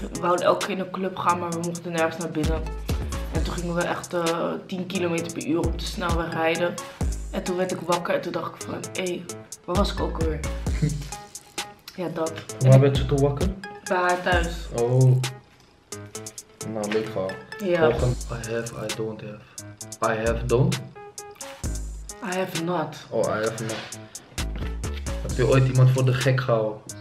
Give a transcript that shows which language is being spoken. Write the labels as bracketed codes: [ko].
[nl] We wouden elke keer in een club gaan, maar we mochten nergens naar binnen. En toen gingen we echt 10 km per uur op de snelweg rijden. En toen werd ik wakker en toen dacht ik van, hey, waar was ik ook weer? Ja, dat. Waar werd je toen wakker? Bij haar thuis. Oh. nou een leuk verhaal. Ja. Volgende. [en] I have, I don't have. I have, don't. I have not. Oh, I have not. [nl] Heb je ooit iemand voor de gek gehouden?